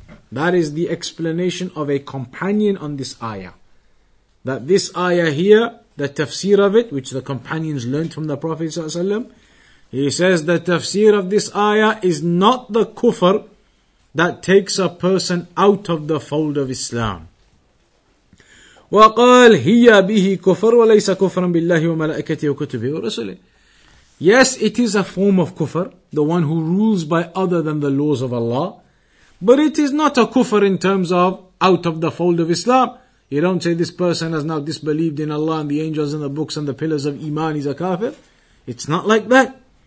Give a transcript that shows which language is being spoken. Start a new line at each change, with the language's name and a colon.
English: That is the explanation of a companion on this ayah. That this ayah here, the tafsir of it, which the companions learned from the Prophet ﷺ, he says the tafsir of this ayah is not the kufr that takes a person out of the fold of Islam.
Arabic: وقال هي به كفر وليس كفرا بالله وملائكته وكتبه ورسله.
English: Yes, it is a form of kufr, the one who rules by other than the laws of Allah. But it is not a kufr in terms of out of the fold of Islam. You don't say this person has now disbelieved in Allah and the angels and the books and the pillars of iman, he's a kafir. It's not like that.